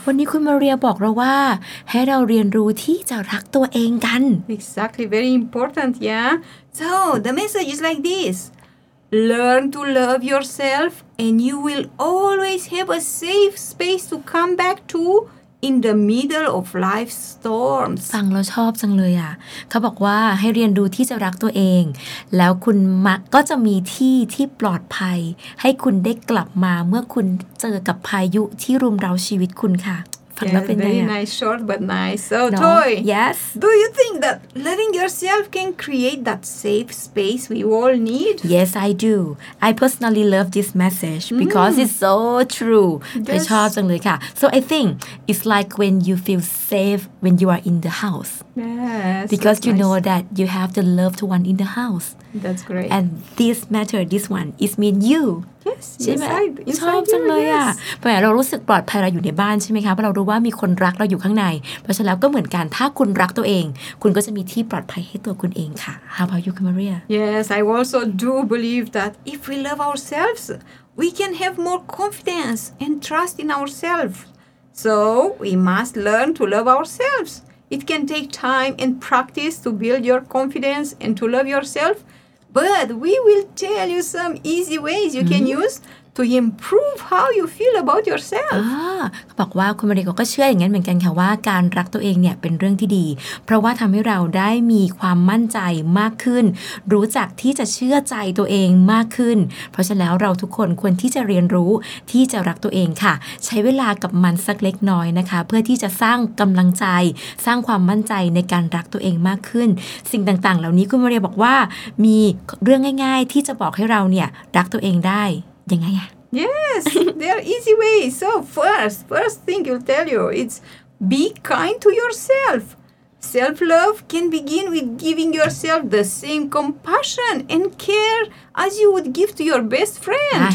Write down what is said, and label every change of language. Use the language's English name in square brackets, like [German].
[Thai] วันนี้คุณมาเรียบอกเราว่าให้เราเรียนรู้ที่จะรักตัวเองกัน [English] Exactly, very important, yeah? So, the message is like this. Learn to love yourself and you will always have a safe space to come back to in the middle of life's storms. [Thai] ฟังแล้วชอบจังเลยอ่ะเขาบอกว่าให้เรียนรู้ที่จะรักตัวเองแล้วคุณมักก็จะมีที่ที่ปลอดภัยให้คุณได้กลับมาเมื่อคุณเจอกับพายุที่รุมเร้าชีวิตคุณค่ะฟังแล้วเป็นไงอ่ะ [English] Nice short but nice. So Toy, yes. Do you think that loving yourself can create that safe space we all need? Yes, I do. I personally love this message because it's so true. I [Thai] ชอบจังเลยค่ะ [English] So I think it's like when you feel safe when you are in the house. Yes. Because you know that you have the loved one in the house. That's great. And this matter, this one, is mean you. Yes, [Thai] ชอบจังเลยอ่ะเพราะเรารู้สึกปลอดภัยเราอยู่ในบ้านใช่ไหมคะเพราะเรารู้ว่ามีคนรักเราอยู่ข้างในเพราะฉะนั้นก็เหมือนกันถ้าคุณรักตัวเองคุณก็จะมีที่ปลอดภัยให้ตัวคุณเองค่ะ [English] How about you, Maria? Yes, I also do believe that if we love ourselves, we can have more confidence and trust in ourselves. So we must learn to love ourselves. It can take time and practice to build your confidence and to love yourself. But we will tell you some easy ways you can use to improve how you feel about yourself. [Thai] บอกว่าคุณมาริโกก็เชื่ออย่างนั้นเหมือนกันค่ะว่าการรักตัวเองเนี่ยเป็นเรื่องที่ดีเพราะว่าทำให้เราได้มีความมั่นใจมากขึ้นรู้จักที่จะเชื่อใจตัวเองมากขึ้นเพราะฉะนั้นแล้วเราทุกคนควรที่จะเรียนรู้ที่จะรักตัวเองค่ะใช้เวลากับมันสักเล็กน้อยนะคะเพื่อที่จะสร้างกำลังใจสร้างความมั่นใจในการรักตัวเองมากขึ้นสิ่งต่างๆเหล่านี้คุณมาริโกบอกว่ามีเรื่องง่ายๆที่จะบอกให้เราเนี่ยรักตัวเองได้ยังไงอ่ะ [English] Yes, there are easy ways. So first thing I'll tell you, it's be kind to yourself. Self-love can begin with giving yourself the same compassion and care as you would give to your best friend.